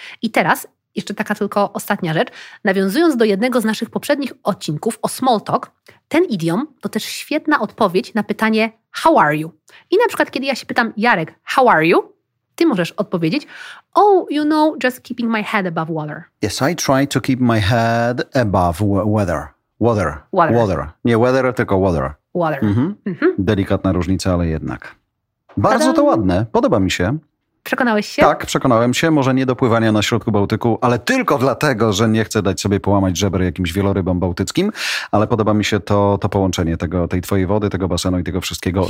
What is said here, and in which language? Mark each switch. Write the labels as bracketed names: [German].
[Polish] I teraz, jeszcze taka tylko ostatnia rzecz, nawiązując do jednego z naszych poprzednich odcinków o small talk, ten idiom to też świetna odpowiedź na pytanie [English] how are you? [Polish] I na przykład, kiedy ja się pytam, [English] Jarek, how are you? [Polish] Ty możesz odpowiedzieć, [English] oh, you know, just keeping my head above water. Yes, I try to keep my head above weather. Water. Water. Water. [Polish] Nie weather, tylko water. [English] Water. [Polish] Mhm. Mhm. Delikatna różnica, ale jednak. Bardzo to ładne, podoba mi się. Przekonałeś się? Tak, przekonałem się. Może nie do pływania na środku Bałtyku, ale tylko dlatego, że nie chcę dać sobie połamać żeber jakimś wielorybom bałtyckim, ale podoba mi się to połączenie tej twojej wody, tego basenu i tego wszystkiego.